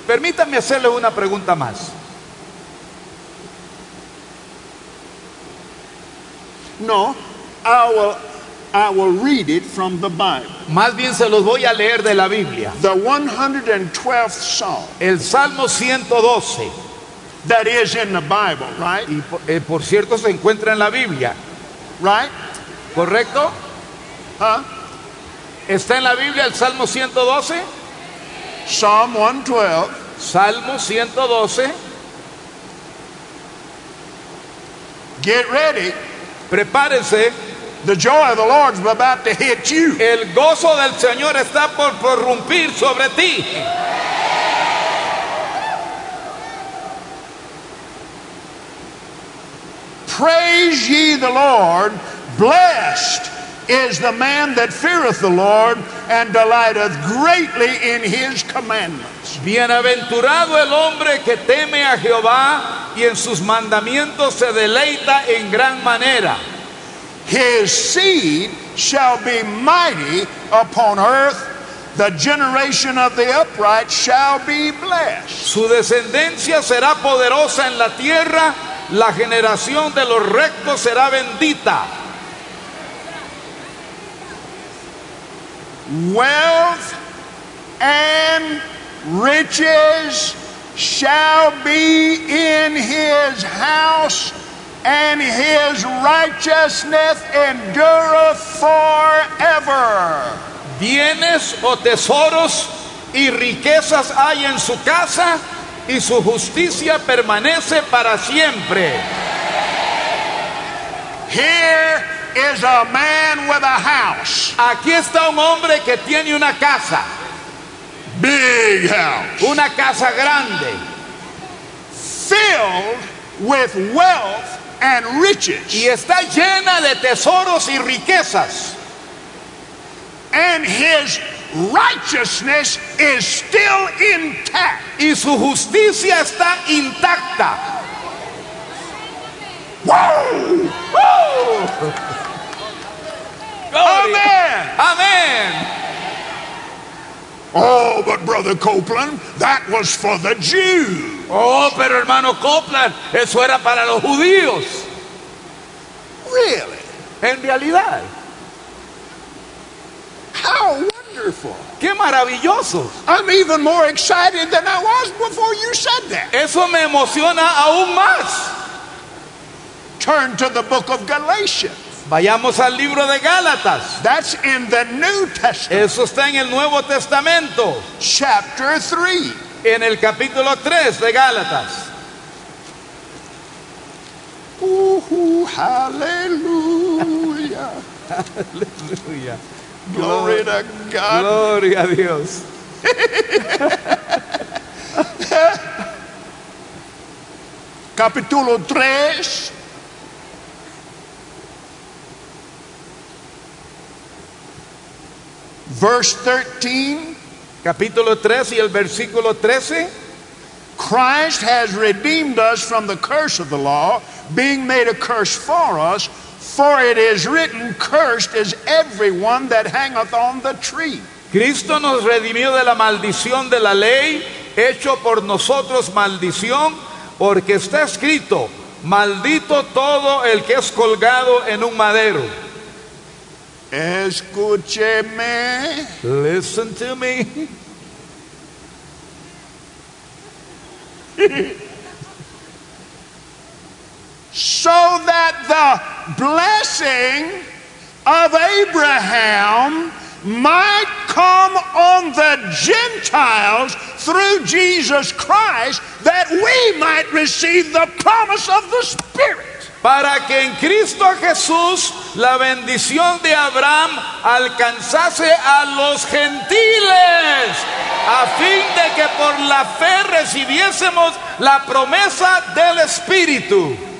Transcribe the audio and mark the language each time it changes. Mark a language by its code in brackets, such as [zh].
[es] Permítame hacerle una pregunta más. [en] No, I will read it from the Bible. [es] Más bien se los voy a leer de la Biblia. [en] The 112th Psalm. [es] El Salmo 112. [en] That is in the Bible, right? [es] Y por cierto se encuentra en la Biblia. [en] Right? [es] ¿Correcto? Huh? ¿Está en la Biblia el Salmo 112? [en] Psalm 112. [es] Salmo 112. [en] Get ready. [es] Prepárense. [en] The joy of the Lord's about to hit you. [es] El gozo del Señor está por prorrumpir sobre ti. [en] Praise ye the Lord. Blessed is the man that feareth the Lord and delighteth greatly in his commandments. [es] Bienaventurado el hombre que teme a Jehová y en sus mandamientos se deleita en gran manera. [en] His seed shall be mighty upon earth. The generation of the upright shall be blessed. [es] Su descendencia será poderosa en la tierra. La generación de los rectos será bendita. [en] Wealth and riches shall be in his house, and his righteousness endureth forever. [es] Bienes o tesoros y riquezas hay en su casa, y su justicia permanece para siempre. [en] Here is a man with a house. [es] Aquí está un hombre que tiene una casa. [en] Big house. [es] Una casa grande. [en] Filled with wealth and riches. [es] Y está llena de tesoros y riquezas. [en] And his righteousness is still intact. [es] Y su justicia está intacta. Wow! Woo! Amen. Amen. [en] Oh, but Brother Copeland, that was for the Jews. [es] Oh, pero hermano Copeland, eso era para los judíos. [en] Really? [es] En realidad. [en] How wonderful. [es] Qué maravilloso. [en] I'm even more excited than I was before you said that. [es] Eso me emociona aún más. [en] Turn to the book of Galatians. [es] Vayamos al libro de Gálatas. [en] That's in the New Testament. [es] Eso está en el Nuevo Testamento. [en] Chapter 3. [es] En el capítulo 3 de Gálatas. Hallelujah. Hallelujah. [en] Glory to God. [es] Gloria a Dios. Capítulo 3. [en] Verse 13. [es] Capítulo 3 y el versículo 13. [en] Christ has redeemed us from the curse of the law, being made a curse for us, for it is written, cursed is everyone that hangeth on the tree. [es] Cristo nos redimió de la maldición de la ley, hecho por nosotros maldición, porque está escrito, maldito todo el que es colgado en un madero. Escúcheme. [en] Listen to me. So that the blessing of Abraham might come on the Gentiles through Jesus Christ, that we might receive the promise of the Spirit. [es] Para que en Cristo Jesús la bendición de Abraham alcanzase a los gentiles, a fin de que por la fe recibiésemos la promesa del Espíritu.